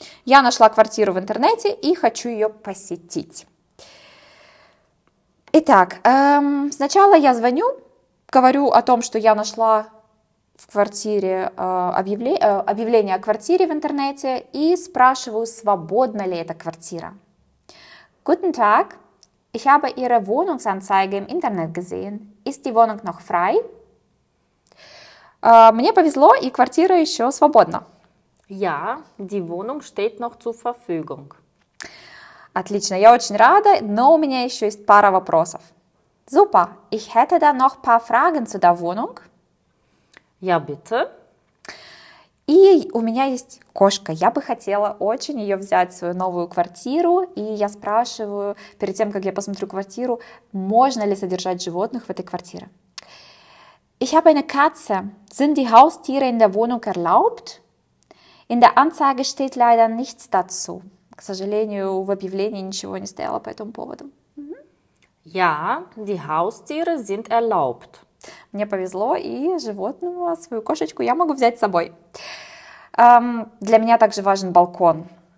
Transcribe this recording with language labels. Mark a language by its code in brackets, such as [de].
[ru] Я нашла квартиру в интернете и хочу ее посетить. Итак, сначала я звоню. Говорю о том, что я нашла в квартире объявление о квартире в интернете и спрашиваю, свободна ли эта квартира. [de] Guten Tag, ich habe Ihre Wohnungsanzeige im Internet gesehen. Ist die Wohnung noch frei? [ru] Мне повезло, и квартира еще свободна. [de] Ja, die Wohnung steht noch zur Verfügung. [ru] Отлично, я очень рада, но у меня еще есть пара вопросов. [de] Super, ich hätte da noch ein paar Fragen zu der Wohnung. Ja, bitte. [ru] И у меня есть кошка. Я бы хотела очень ее взять в свою новую квартиру. И я спрашиваю, перед тем, как я посмотрю квартиру, можно ли содержать животных в этой квартире. [de] Ich habe eine Katze. Sind die Haustiere in der Wohnung erlaubt? In der Anzeige steht leider nichts dazu. [ru] К сожалению, в объявлении ничего не стояло по этому поводу. [de] Ja, die Haustiere sind erlaubt. [ru] Мне повезло, и животного, свою кошечку я могу взять с собой. Для меня также важен балкон.